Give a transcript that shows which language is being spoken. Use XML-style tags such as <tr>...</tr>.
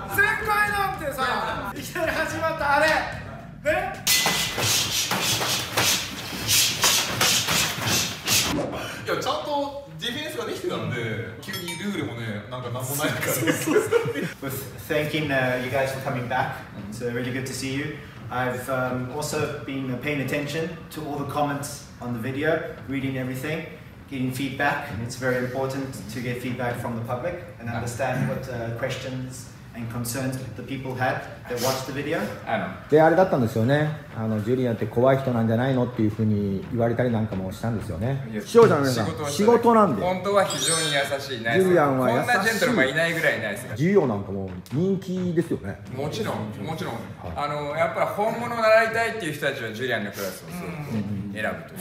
<ja>前回なんてさ、いきなり始まったあれね。いや、ちゃんとディフェンスができてたんで、急にルールもね、なんかなんもないから</ja> <en>。 Thanking you guys for coming back. It's really good to see youI've also been paying attention to all the comments on the video, reading everything, getting feedback, and it's very important to get feedback from the public and understand what questions and concerns the people had that watched the video.</en> <ja>で、あれだったんですよね。あの、ジュリアンって怖い人なんじゃないのっていうふうに言われたりなんかもしたんですよね。視聴者の皆さん、仕事なんで。本当は非常に優しいね。ジュリアンは優しい。こんなジェントルマンいないぐらいないですか。授業なんかも人気ですよね。もちろん、もちろん。あの、やっぱり本物を習いたいっていう人たちはジュリアンのクラスを選ぶという。</ja>